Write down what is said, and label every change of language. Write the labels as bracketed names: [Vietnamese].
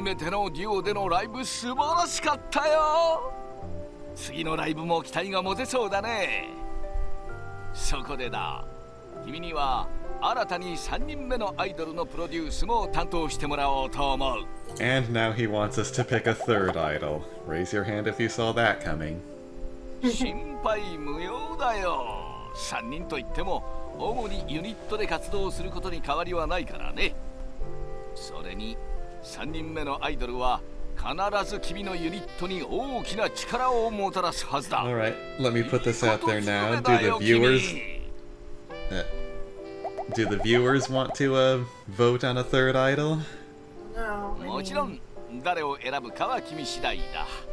[Japanese] のデュオでのライブ素晴らしかったよ。次のライブも期待が持てそうだね。そこでだ、君には新たに3人目のアイドルのプロデュースも担当してもらおうと思う。 [English] And now he wants us to pick a third idol. Raise your hand if you saw that coming. [Japanese] 心配無用だよ。 3人といっても主にユニットで活動することに変わりはないからね。それに3人目のアイドルは必ず君のユニットに大きな力をもたらすはずだ。 [English] All right, let me put this out there now. Do the viewers Do the viewers want to vote on a third idol? [Japanese] もちろん誰を選ぶかは君次第だ。